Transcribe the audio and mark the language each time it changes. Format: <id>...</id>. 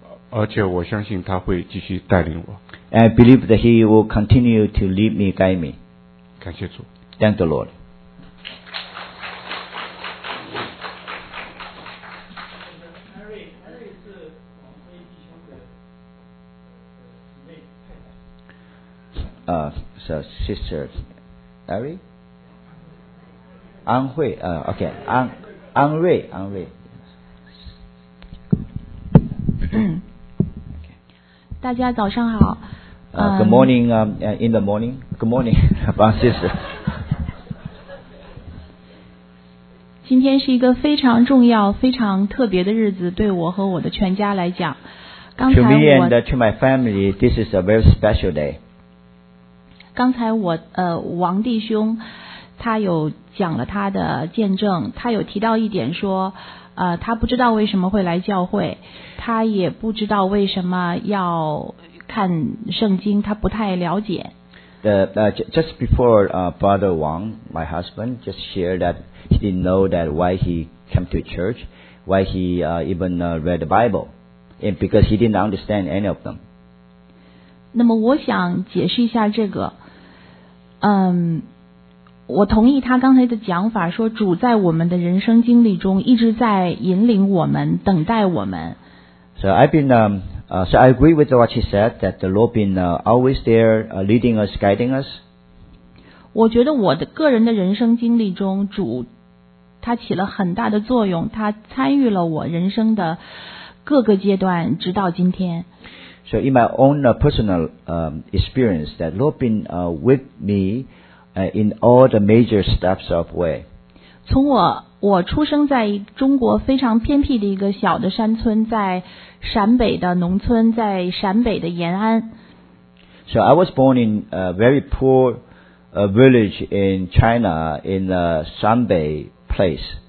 <zh>而且我相信他会继续带领我。</zh> <en>And I believe that he will continue to lead me, guide me.</en> <zh>感谢主。</zh> <en>Thank the Lord. So sister Larry? An Hui, okay. An Rui, An Rui.</en> <zh>大家早上好。</zh> <en>Good morning, in the morning. Good morning, Bang sister.</en> <zh>今天是一个非常重要非常特别的日子对我和我的全家来讲。刚才</zh> <en>To me and to my family, this is a very special day.</en> <zh>刚才我王弟兄他有讲了他的见证，他有提到一点说他不知道为什么会来教会，他也不知道为什么要看圣经，他不太了解。</zh> <en>Just before Father Wang, my husband, just shared that he didn't know that why he came to church, why he read the Bible, and because he didn't understand any of them.</en> <zh>那么我想解释一下这个。我同意他刚才的讲法，说主在我们的人生经历中一直在引领我们，等待我们。</zh> <en>So I agree with what he said that the Lord been always there leading us, guiding us.</en> <zh>我觉得我的个人的人生经历中，主他起了很大的作用，他参与了我人生的各个阶段，直到今天。</zh> <en>So in my own personal experience, that Lord been with me in all the major steps of way.</en> <zh>从我出生在中国非常偏僻的一个小的山村，在陕北的农村，在陕北的延安。</zh> <en>So I was born in a very poor village in China in the 陕北 place.</en>